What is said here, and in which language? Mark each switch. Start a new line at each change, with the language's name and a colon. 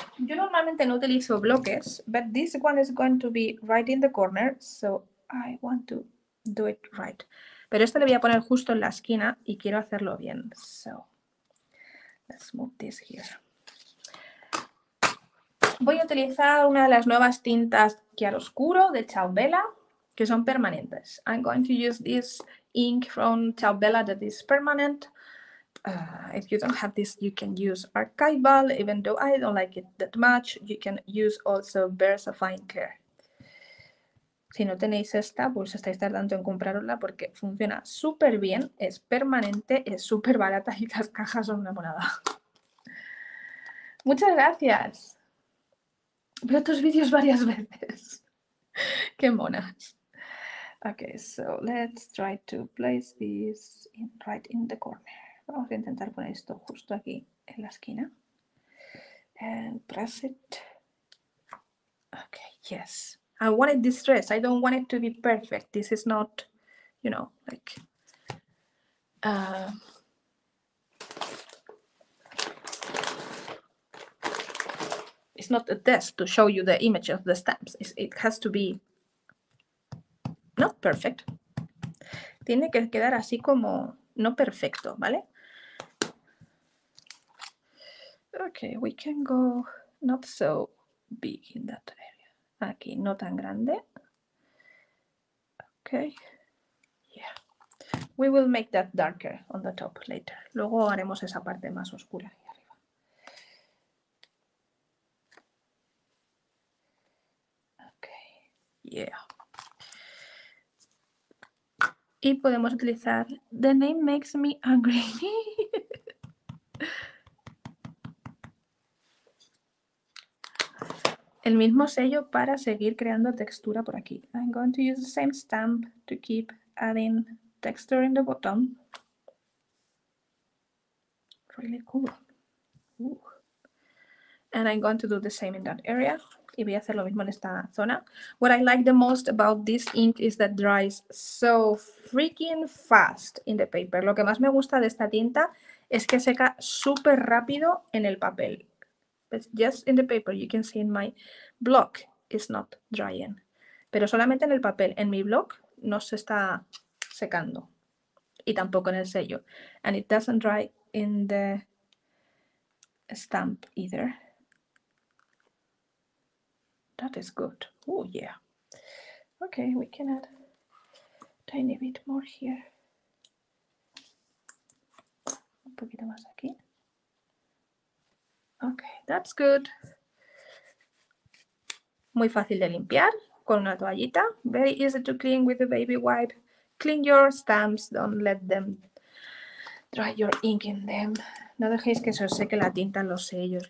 Spanish: Yo normalmente no utilizo bloques,
English: but this one is going to be right in the corner, so I want to do it right.
Spanish: Pero este le voy a poner justo en la esquina y quiero hacerlo bien.
English: So let's move this here.
Spanish: Voy a utilizar una de las nuevas tintas chiaroscuro de Ciao Bella, que son permanentes.
English: I'm going to use this ink from Ciao Bella that is permanent. If you don't have this, you can use archival, even though I don't like it that much. You can use also VersaFine Care.
Spanish: Si no tenéis esta, pues estáis tardando en comprarosla porque funciona súper bien, es permanente, es súper barata y las cajas son una monada. Muchas gracias. Veo tus vídeos varias veces. Qué monas.
English: Okay, so let's try to place this in, right in the corner.
Spanish: Vamos a intentar poner esto justo aquí en la esquina.
English: And press it. Okay, yes. I want it distressed. I don't want it to be perfect. This is not, you know, like. It's not a test to show you the image of the stamps. It has to be not perfect.
Spanish: Tiene que quedar así como no perfecto, ¿vale?
English: Okay, we can go not so big in that area.
Spanish: Aquí, no tan grande. Okay. Yeah.
English: We will make that darker on the top later.
Spanish: Luego haremos esa parte más oscura ahí arriba.
English: Okay. Yeah.
Spanish: Y podemos utilizar
English: the name makes me angry.
Spanish: El mismo sello para seguir creando textura por aquí.
English: I'm going to use the same stamp to keep adding texture in the bottom. Really cool. And I'm going to do the same in that area.
Spanish: Y voy a hacer lo mismo en esta zona.
English: What I like the most about this ink is that dries so freaking fast in the paper.
Spanish: Lo que más me gusta de esta tinta es que seca súper rápido en el papel.
English: But just in the paper, you can see in my block, it's not drying.
Spanish: Pero solamente en el papel, en mi block, no se está secando. Y tampoco en el sello.
English: And it doesn't dry in the stamp either. That is good. Oh yeah. Okay, we can add a tiny bit more here.
Spanish: Un poquito más aquí.
English: Okay, that's good.
Spanish: Muy fácil de limpiar con una toallita.
English: Very easy to clean with a baby wipe. Clean your stamps. Don't let them dry your ink in them.
Spanish: No dejéis que se os seque la tinta en los sellos.